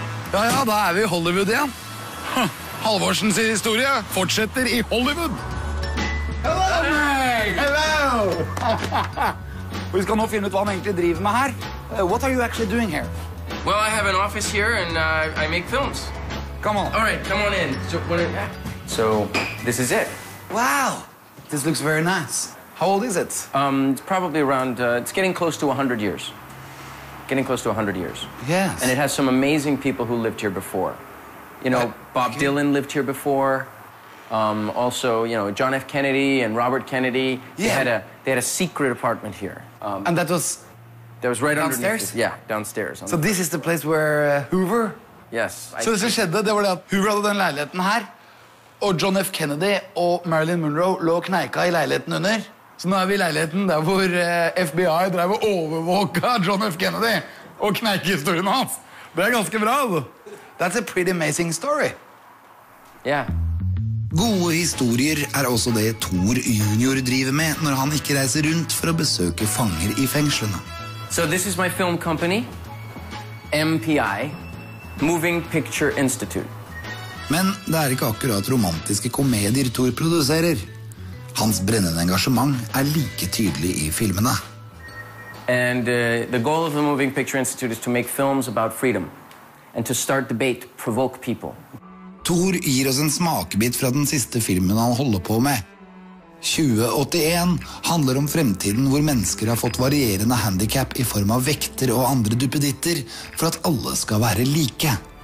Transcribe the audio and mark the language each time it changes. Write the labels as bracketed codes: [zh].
[no] Ja, ja, da er vi i Hollywood igjen. Halvorsens historie fortsetter i Hollywood. [en] Hello, Meg! Hello! [no] Vi skal nå finne ut hva han egentlig driver med her. [en] What are you actually doing here? Well, I have an office here and I make films. Come on. All right, come on in. So, this is it. Wow, this looks very nice. How old is it? It's probably around, it's getting close to 100 years. Getting close to 100 years. Yes. And it has some amazing people who lived here before. You know, Bob Dylan lived here before. Also, you know, John F. Kennedy and Robert Kennedy. Yeah. They had a secret apartment here. And that was... That was right downstairs? Yeah, downstairs. So this is the place where Hoover? Yes. [no] Så det som skjedde, det var det at Hoover hadde den leiligheten her, og John F. Kennedy og Marilyn Monroe lå og kneika i leiligheten under. Så nå er vi i leiligheten der hvor FBI drev å overvåke John F. Kennedy og kneike historien hans. Det er ganske bra, du. [en] That's a pretty amazing story. Yeah. [no] Gode historier er også det Thor Junior driver med når han ikke reiser rundt for å besøke fanger i fengslene. [en] So this is my film company, MPI, Moving Picture Institute. [no] Men det er ikke akkurat romantiske komedier Thor produserer. Hans brennende engasjement er like tydelig i filmene. [en] And the goal of the Moving Picture Institute is to make films about freedom and to start debate, provoke people. [no] Thor gir oss en smakebit fra den siste filmen han holder på med. 2081 handler om fremtiden hvor mennesker har fått varierende handicap i form av vekter og andre duppeditter for at alle skal være like.